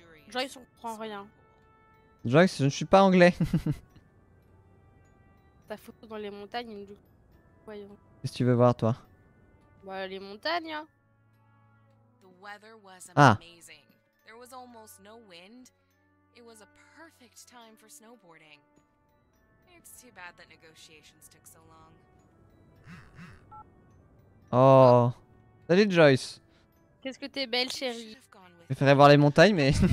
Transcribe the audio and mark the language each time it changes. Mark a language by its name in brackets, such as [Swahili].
[French] Genre, ils comprennent rien. Je ne suis pas anglais. Ta photo dans les montagnes, du coup. Voyons. Qu'est-ce que tu veux voir, toi? Bah, les montagnes, hein. [English] The weather was Ah. amazing. There was almost no wind. It was a perfect time for snowboarding. It's too bad that negotiations took so long. [French] Oh. Salut, Joyce. Qu'est-ce que t'es belle, chérie. Je préférais voir les montagnes, mais...